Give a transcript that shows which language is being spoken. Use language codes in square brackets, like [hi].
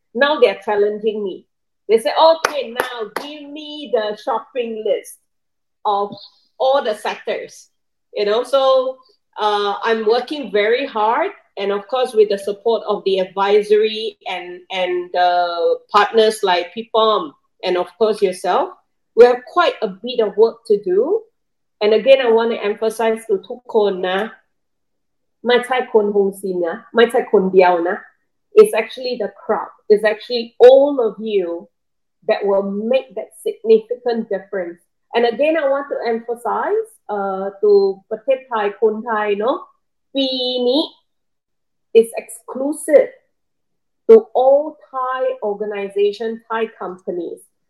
[en] Now they're challenging me. They say, okay, now give me the shopping list of all the sectors. And also I'm working very hard. And of course, with the support of the advisory and the partners like Pipom, and of course yourself, we have quite a bit of work to do. And again, I want to emphasize to [th] ทุกคนนะ ไม่ใช่คนฮงซินนะ ไม่ใช่คนเดียวนะ [en] It's actually the crowd. It's actually all of you that will make that significant difference. And again, I want to emphasize to [th] ประเทศไทยคนไทยเนาะ ปีนี้ [en] is exclusive to all Thai organization, Thai companies.